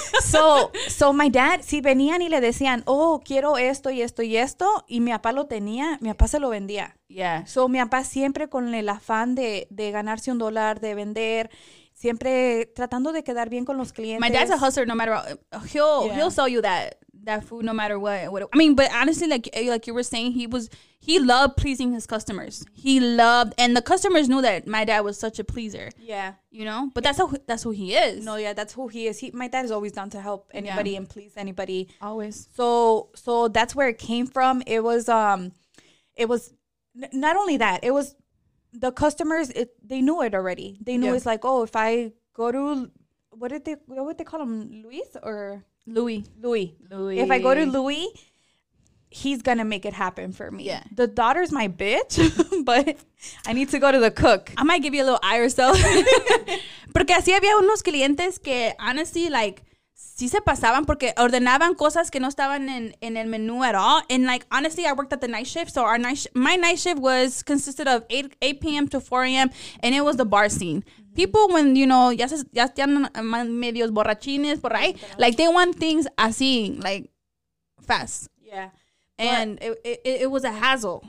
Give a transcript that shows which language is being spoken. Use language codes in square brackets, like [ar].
[en] So my dad, [es] si venían y le decían, oh, quiero esto y esto y esto, y mi papá lo tenía, mi papá se lo vendía. [en] Yeah. [es] So mi papá siempre con el afán de ganarse un dólar, de vender, siempre tratando de quedar bien con los clientes. [en] My dad's a hustler no matter what. He'll sell you that. that food no matter what. I mean, but honestly, like you were saying, he loved pleasing his customers. He loved, and the customers knew that my dad was such a pleaser. Yeah. You know, but that's who he is. No, yeah, that's who he is. My dad is always down to help anybody and please anybody. Always. So that's where it came from. It was not only that, the customers, they knew it already. They knew it's like, oh, if I go to, what would they call him, Luis or? Louis. If I go to Louis, he's going to make it happen for me. Yeah. The daughter's my bitch, but I need to go to the cook. I might give you a little eye or so. [es] Porque así había unos clientes que, [en] honestly, like, [es] sí se pasaban porque ordenaban cosas que no estaban en el menú [en] at all. And, like, honestly, I worked at the night shift. So my night shift consisted of 8 p.m. to 4 a.m. And it was the bar scene. People, when, you know, [es] ya están medios borrachines, [en] right? Like, they want things así, like, fast. Yeah. And it was a hassle.